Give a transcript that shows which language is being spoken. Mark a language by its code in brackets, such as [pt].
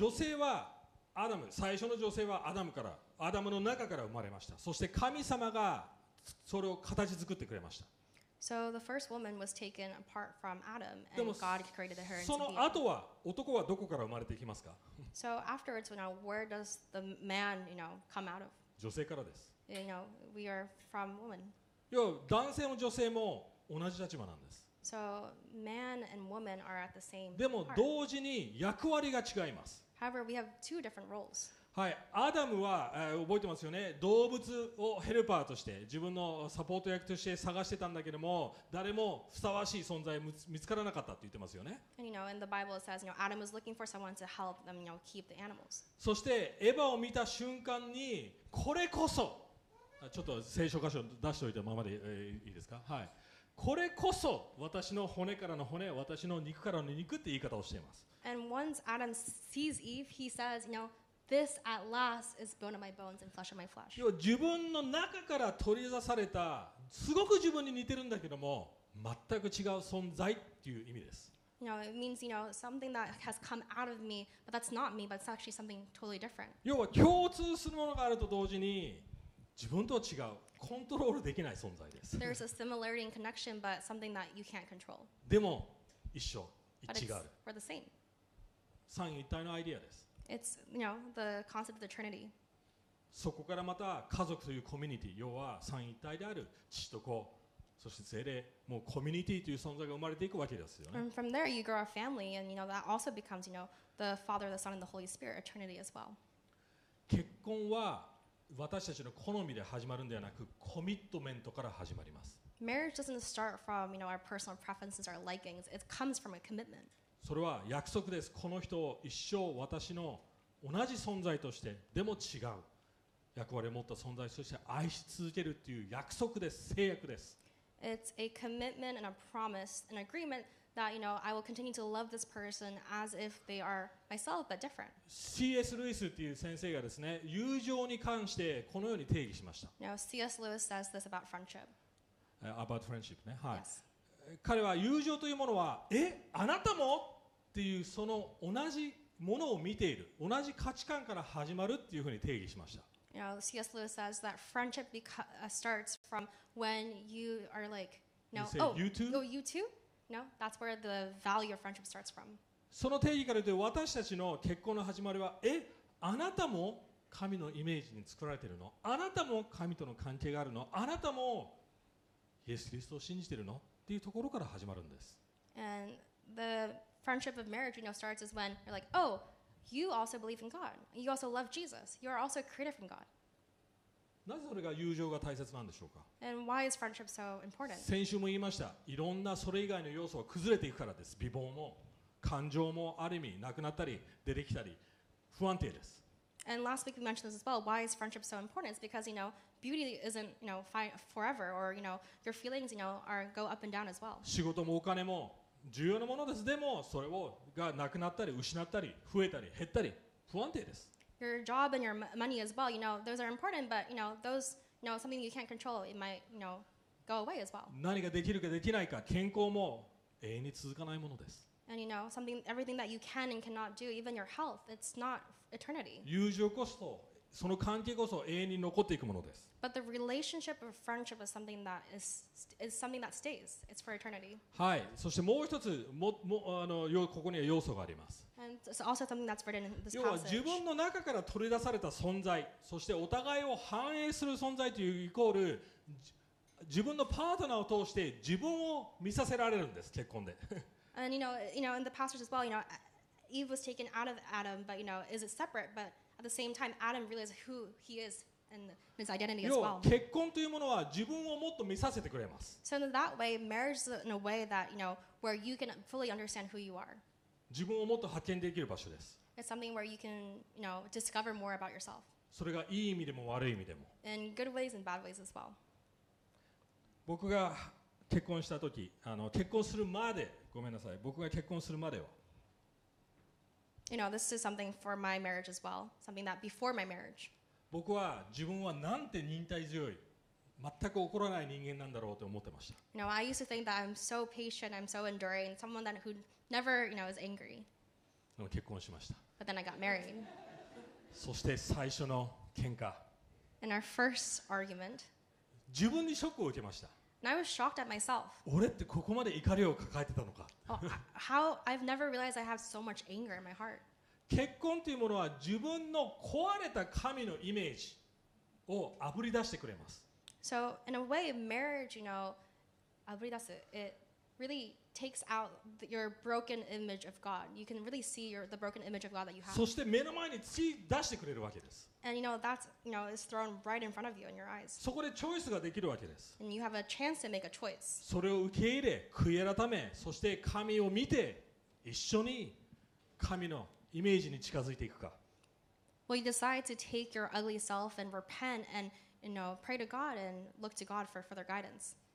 [ja] 女性はアダム、最初の女性はアダムから、アダムの中から生まれました。そして神様がそれを形作ってくれました。 [en] So the first woman was taken apart from Adam, and God created her. [ja] その後は男はどこから生まれていきますか？ [en] So afterwards, you know, where does the man, you know, come out of? [ja] 女性からです。 [en] You know, we are from woman. [ja] 要は男性も女性も同じ立場なんです。 [en] So man and woman are at the same part. [ja] でも同時に役割が違います。 [en] However, we have two different roles. [ja] はい、アダムは、覚えてますよね、動物をヘルパーとして自分のサポート役として探してたんだけども、誰もふさわしい存在見つからなかったって言ってますよね。 [en] And you know, in the Bible it says, you know, Adam was looking for someone to help them, you know, keep the animals. [ja] そしてエヴァを見た瞬間に、これこそ、ちょっと聖書箇所出しておいたままで、いいですか、はい、これこそ私の骨からの骨、私の肉からの肉って言い方をしています。 [en] And once Adam sees Eve, he says, you know,This at last is bone of my bones and flesh of my flesh. [ja] 自分の中から取り出された、すごく自分に似てるんだけども全く違う存在っていう意味です。 [en] You know, it means, you know, something that has come out of me, but that's not me, but it's actually something totally different. [ja] 要は共通するものがあると同時に自分とは違う、コントロールできない存在です。 [en] There's a similarity and connection, but something that you can't control. [ja] でも一緒、一致がある。 [en] But we're the same. [ja] 三位一体のアイデアです。 [en] It's, you know, the concept of the Trinity. [ja] そこからまた家族というコミュニティ、要は三一体である父と子、そして聖霊、もうコミュニティという存在が生まれていくわけですよね。 [en] And from there you grow a family, and you know that also becomes, you know, the Father, the Son, and the Holy Spirit, a Trinity as well. [ja] 結婚は私たちの好みで始まるんではなく、コミットメントから始まります。 [en] Marriage doesn't start from, you know, our personal preferences or likings. It comes from a commitment. [ja] それは約束です。この人を一生私の同じ存在として、でも違う役割を持った存在として愛し続けるっていう約束です。誓約です。 [en] It's a commitment and a promise, an agreement that, you know, I will continue to love this person as if they are myself, but different. [ja] C.S. ルイスっていう先生がですね、友情に関してこのように定義しました。 [en] Now, C.S. Lewis says this about friendship. About friendship, [ja] ね。はい。 [en] Yes. [ja] 彼は友情というものは、え、あなたもっていう、その同じものを見ている、同じ価値観から始まるっていうふうに定義しました。 [en] You know, C.S. Lewis says that friendship starts from when you are like, you know, you say, oh, you too? No, that's where the value of friendship starts from. [ja] その定義から言うと、私たちの結婚の始まりは、え、あなたも神のイメージに作られているの？あなたも神との関係があるの？あなたもイエス・キリストを信じているの？っていうところから始まるんです。 [en] And the friendship of marriage, you know, starts is when you're like, oh, you also believe in God. You also love Jesus. You are also created from God. [ja] なぜそれが友情が大切なんでしょうか？ [en] And why is friendship so important? [ja] 先週も言いました。いろんなそれ以外の要素が崩れていくからです。美貌も感情もある意味なくなったり出てきたり不安定です。 [en] And last week we mentioned this as well. Why is friendship so important? It's because, you know, beauty isn't, you know, forever, or, you know, your feelings, you know, are go up and down as well. [ja] 仕事もお金も重要なものです。でもそれをがなくなったり失ったり増えたり減ったり不安定です。 [en] Your job and your money as well, you know, those are important, but, you know, those, you know, something you can't control, it might, you know, go away as well. [ja] 何ができるかできないか、健康も永遠に続かないものです。 [en] And, you know, something, everything that you can and cannot do, even your health, it's not eternity. [ja] 友情こそ、その関係こそ永遠に残っていくものです。 [en] But the relationship or friendship is something that is something that stays. It's for eternity. [ja] はい。そしてもう一つ、ここには要素があります。 [en] And it's also something that's written in this passage. [ja] 要は自分の中から取り出された存在、そしてお互いを反映する存在というイコール、自分のパートナーを通して自分を見させられるんです、結婚で。 [en] And you know, in the passage as well, you know, Eve was taken out of Adam, but you know, is it separate? But at the same time, Adam realized who he is and his identity as well. [ja] 要は結婚というものは自分をもっと見させてくれます。 [en] So in that way, marriage is in a way that, you know, where you can fully understand who you are. [ja] 自分をもっと発見できる場所です。 [en] It's something where you can, you know, discover more about yourself. [ja] それがいい意味でも悪い意味でも。 [en] In good ways and bad ways as well. [ja] 僕が結婚した時、結婚するまで、ごめんなさい、僕が結婚するまでは、 [en] You know, this is something for my marriage as well. Something that before my marriage. [ja] 僕は自分はなんて忍耐強い、全く怒らない人間なんだろうと思ってました。 [en] You know, I used to think that I'm so patient, I'm so enduring, someone that who never, you know, is angry. [ja] でも結婚しました。 [en] But then I got married. [ja] そして最初の喧嘩。 [en] In our first argument. [ja] 自分にショックを受けました。 [en] And I was shocked at myself. [ja] 俺ってここまで怒りを抱えてたのか。 [en] Oh, how I've never realized I have so much anger in my heart. [ja] 結婚というものは自分の壊れた神のイメージをあぶり出してくれます。 [en] So in a way, marriage, you know, [ja] あぶり出す。 [en] It really takes out your broken image of God. You can really see the broken image of God that you have. [ja] そして目の前に突き出してくれるわけです。 [en] And you know that's, you know, is thrown right in front of you in your eyes. [ja] そこでチョイスができるわけです。 [en] And you have a chance to make a choice. [ja] それを受け入れ、悔い改め、そして神を見て、一緒に神のイメージに近づいていくか。 [en] Well, you decide to take your ugly self and repent and, you know, pray to God and look to God for further guidance.